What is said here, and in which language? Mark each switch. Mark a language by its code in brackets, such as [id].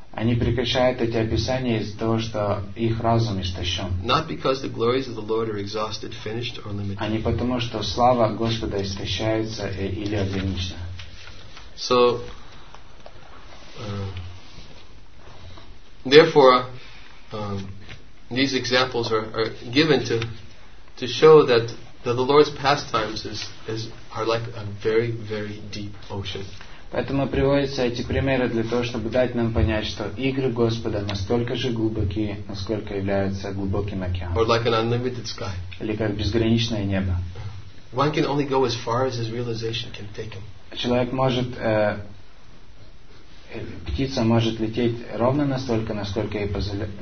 [ru] Они прекращают эти описания из-за того, что их разум истощен. [en] Not because the glories of the Lord are exhausted, finished, or limited. [ru] А не потому, что слава Господа истощается или ограничена. [en] So, therefore, these examples are given to show that the Lord's pastimes are like a very, very deep ocean. [ru] Поэтому приводятся эти примеры для того, чтобы дать нам понять, что игры Господа настолько же глубоки, насколько являются глубоким океаном. [en] Or like an unlimited sky. [ru] Или как безграничное небо. [en] One can only go as far as his realization can take him. [ru] Человек может, птица может лететь ровно настолько, насколько ей позволяет.